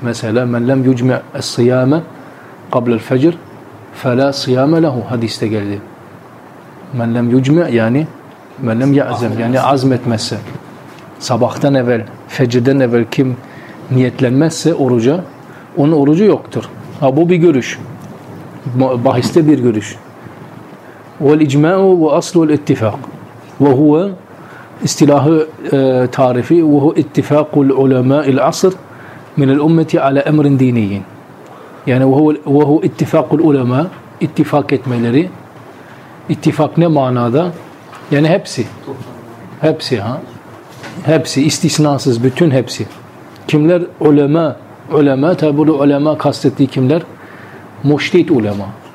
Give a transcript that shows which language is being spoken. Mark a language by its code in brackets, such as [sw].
[ar] Mesela men lem yucme'e sıyame kablel fecr felâ sıyame lehu. [tr] Hadiste geldi. [ar] Men lem yucme yani men lem ya'zem [tr] yani azmetmezse. Sabahtan evvel, fecirden evvel kim niyetlenmezse oruca, onun orucu yoktur. Ha, bu bir görüş. Bahiste bir görüş. [ar] وَالْاِجْمَاءُ وَاَصْلُ الْاِتِّفَاقُ وَهُوَ [tr] istilahı tarifi [ar] وَهُوَ اِتِّفَاقُ الْعُلَمَاءِ الْعَصْرِ مِنَ الْاُمَّةِ عَلَى اَمْرٍ دِينِيِّنْ. Yani وَهُوَ اِتِّفَاقُ الْعُلَمَاءِ [tr] ittifak etmeleri. İttifak ne manada? Yani hepsi. Hepsi ha. Hepsi, istisnasız bütün hepsi. Kimler ulema? Ulema, tabi bu ulema kastettiği kimler? Müştehit ulema.